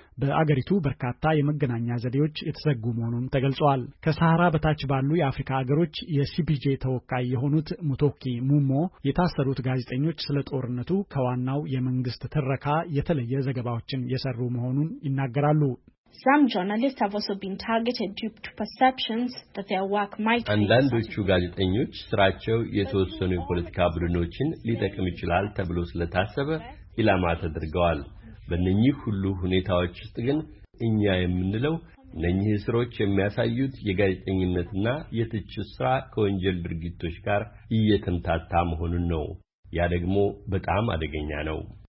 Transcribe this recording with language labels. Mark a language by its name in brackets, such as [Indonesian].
[Amharic] በአገሪቱ በርካታ የመገናኛ ዘዴዎች የተዘጉ መሆኑን ተገልጿል። ከሳሃራ በታች ባሉ የአፍሪካ አገሮች የሲፒጄ ተወካይ የሆኑት ሙቶኪ ሙሞ የታሰሩት ጋዜጠኞች ስለ ጦርነቱ ከዋናው የመንግስት ትረካ የተለየ ዘገባዎችን የሰሩ መሆኑን ይናገራሉ። [English] Some journalists have also been targeted due to perceptions that their work might [Amharic] አንዳንዶቹ ጋዜጠኞች ስራቸው የተወሰኑ የፖለቲካ ቡድኖችን ሊጠቅም ይችላል ተብሎ ስለታሰበ ኢላማ ተደርገዋል። በእነኚህ ሁሉ ሁኔታዎች ውስጥ ግን እኛ የምንለው እነኚህ ስሮች የሚያሳዩት የጋዜጠኝነትና የትችት ስራ ከወንጀል ድርጊቶች ጋር እየተንታታ መሆኑን ነው። ያ ደግሞ በጣም አደገኛ ነው።